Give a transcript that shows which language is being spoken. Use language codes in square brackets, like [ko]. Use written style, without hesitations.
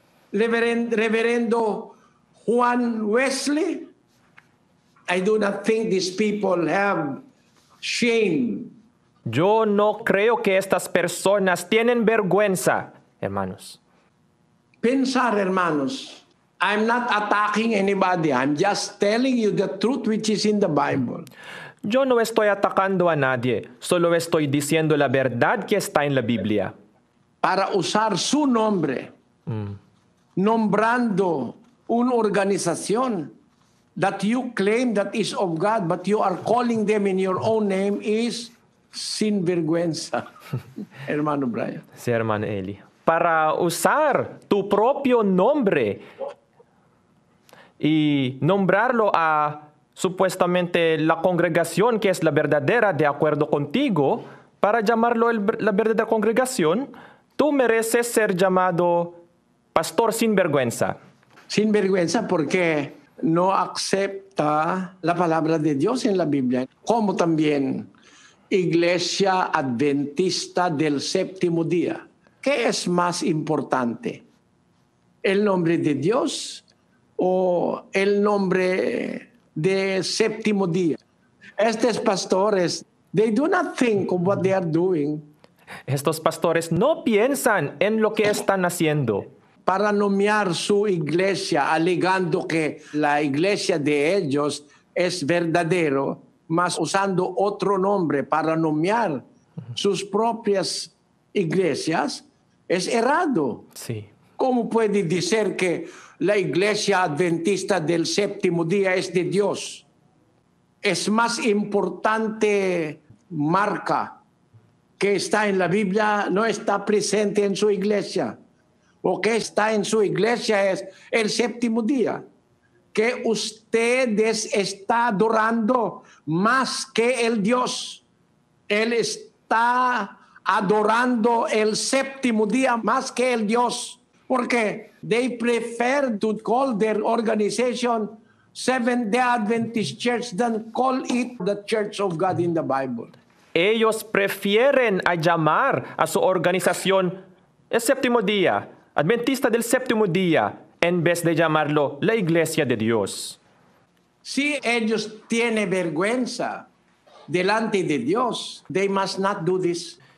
[en] ¿Reverendo Juan Wesley? I do not think these people have shame. [es] Yo no creo que estas personas tienen vergüenza, hermanos. Pensar, hermanos. [en] I'm not attacking anybody. I'm just telling you the truth which is in the Bible. [es] Yo no estoy atacando a nadie, solo estoy diciendo la verdad que está en la Biblia. Para usar su nombre, nombrando una organización [en] that you claim that is of God, but you are calling them in your own name, is [es] sinvergüenza, hermano Brian. Sí, hermano Eli. Para usar tu propio nombre y nombrarlo a supuestamente la congregación que es la verdadera de acuerdo contigo, para llamarlo la verdadera congregación, tú mereces ser llamado pastor sinvergüenza. Sinvergüenza porque no acepta la palabra de Dios en la Biblia, como también Iglesia Adventista del Séptimo Día. ¿Qué es más importante? ¿El nombre de Dios o el nombre de Séptimo Día? Estos pastores, [en] they do not think of what they are doing. [es] Estos pastores no piensan en lo que están haciendo. Para nombrar su iglesia, alegando que la iglesia de ellos es verdadero, más usando otro nombre para nombrar sus propias iglesias, es errado. Sí. ¿Cómo puede decir que la iglesia adventista del séptimo día es de Dios? Es más importante marca que está en la Biblia, no está presente en su iglesia. O que está en su iglesia es el séptimo día. Que ustedes están adorando más que el Dios. Él está adorando el séptimo día más que el Dios. Porque [en] they prefer to call their organization Seventh-day Adventist Church than call it the Church of God in the Bible. [es] Ellos prefieren a llamar a su organización el séptimo día, Adventista del séptimo día, en vez de llamarlo la Iglesia de Dios. Si ellos tienen vergüenza delante de Dios, [en] they must not do this.